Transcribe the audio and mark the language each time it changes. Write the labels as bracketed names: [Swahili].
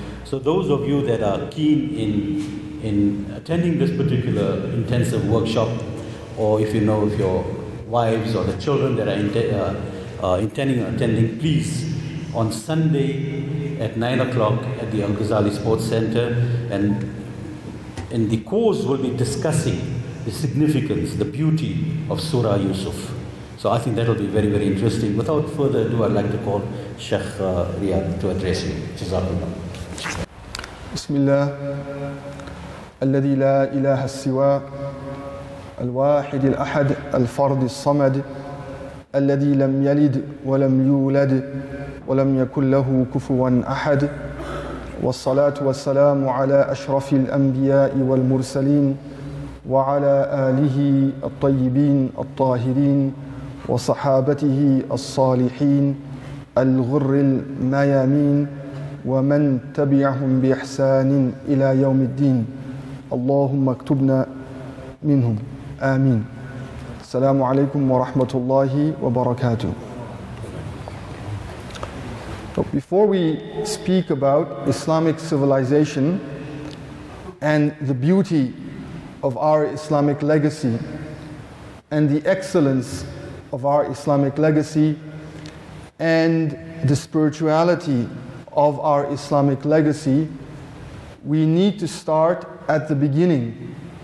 [English] So those of you that are keen in attending this particular intensive workshop, or if you know of your wives or the children that are intending, please, on Sunday at 9 o'clock at the Al-Ghazali Sports Center, and the course will be discussing the significance, the beauty of Surah Yusuf. So I think that will be very, very interesting. Without further ado, I'd like to call Sheikh Riyaadh to address you. Jazakallah. Bismillah. [Arabic] الذي لا إله سوى الواحد الأحد الفرد الصمد الذي لم يلد ولم يولد ولم يكن له كفوا أحد والصلاة والسلام على أشرف الأنبياء والمرسلين وعلى آله الطيبين الطاهرين وصحابته الصالحين الغر الميامين ومن تبعهم بإحسان إلى يوم الدين اللهم اكتبنا منهم آمين. السلام عليكم ورحمة الله وبركاته. [English] But before we speak about Islamic civilization and the beauty of our Islamic legacy and the excellence of our Islamic legacy and the spirituality of our Islamic legacy, we need to start at the beginning.